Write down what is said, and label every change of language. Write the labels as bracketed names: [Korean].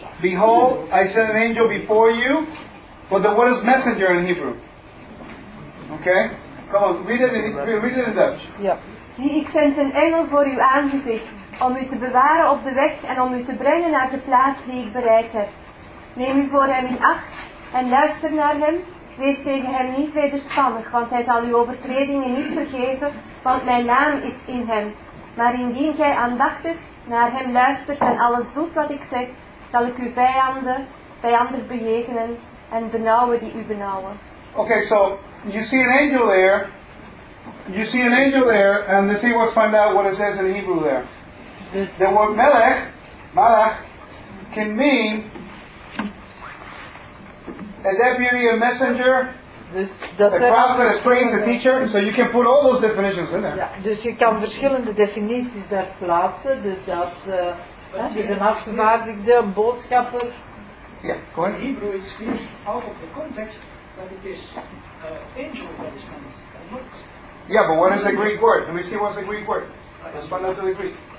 [English] Behold, I send an angel before you. But the word is messenger in Hebrew. Okay? Come on, read it in Dutch. Yeah. [Dutch] Zie, ik zend een engel voor uw aangezicht, om u te bewaren op de weg en om u te brengen naar de plaats die ik bereid heb. Neem u voor hem in acht en luister naar hem. Wees tegen hem niet wederspannig, want hij zal uw overtredingen niet vergeven, want mijn naam is in hem. Maar indien gij aandachtig naar hem luistert en alles doet wat ik zeg, zal ik uw vijanden bejegenen en benauwen die u benauwen. [English] Okay, so you see an angel there. You see an angel there, and let's see, let's find out what it says in Hebrew there. The word Malach, can mean a deputy, a messenger, a prophet, a stranger, a teacher. So you can put all those definitions in there. [Dutch] Ja, dus je kan verschillende definities daar plaatsen. Dus dat is een afgevaardigde, een boodschapper. [English] Ja, go ahead. In Hebrew it's clear out of the context that it is angel that is coming. Yeah, but what is the Greek word? Let me see what's the Greek word. Let's find out to the Greek.